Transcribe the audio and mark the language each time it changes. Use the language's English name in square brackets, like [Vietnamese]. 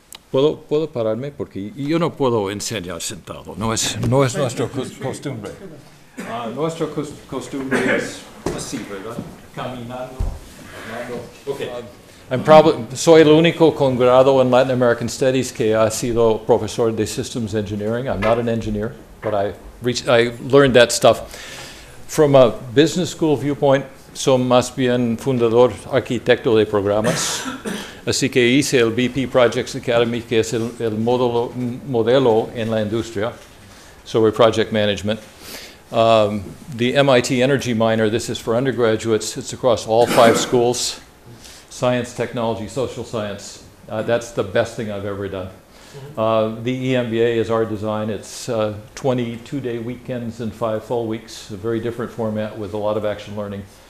[Spanish] ¿Puedo pararme? Porque yo no puedo enseñar sentado, no es nuestra costumbre. Nuestra costumbre es así, ¿verdad? Caminando. Ok. Soy el único con grado en Latin American Studies que ha sido profesor de Systems Engineering. [English] I'm not an engineer, but I learned that stuff. From a business school viewpoint, [Spanish] soy más bien fundador arquitecto de programas. Así que hice el BP Projects Academy, que es el modelo en la industria sobre project management. [English] The MIT Energy minor, this is for undergraduates. It's across all five schools, science, technology, social science. That's the best thing I've ever done. The EMBA is our design. It's 22-day weekends and 5 full weeks, a very different format with a lot of action learning.